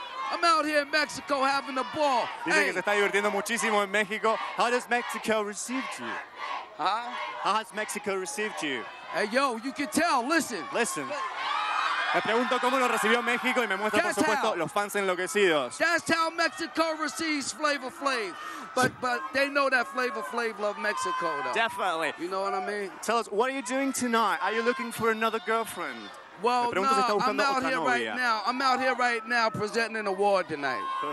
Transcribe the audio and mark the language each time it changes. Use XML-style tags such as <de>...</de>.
<en>I'm out here in Mexico having a ball.</en> <es>Dice hey. Que se está divirtiendo muchísimo en México.</es> <en>How has Mexico received you? Huh? How has Mexico received you? Hey, yo, you can tell. Listen. Listen.</en> <es>Me pregunto cómo lo recibió México y me muestra,</es> <en>that's</en> <es>por supuesto,</es> <en>how.</en> <es>Los fans enloquecidos.</es> <en>That's how Mexico receives Flavor Flav. But they know that Flavor Flav love Mexico, though. Definitely. You know what I mean? Tell us, what are you doing tonight? Are you looking for another girlfriend? Well, I'm out here right now presenting an award tonight.</en>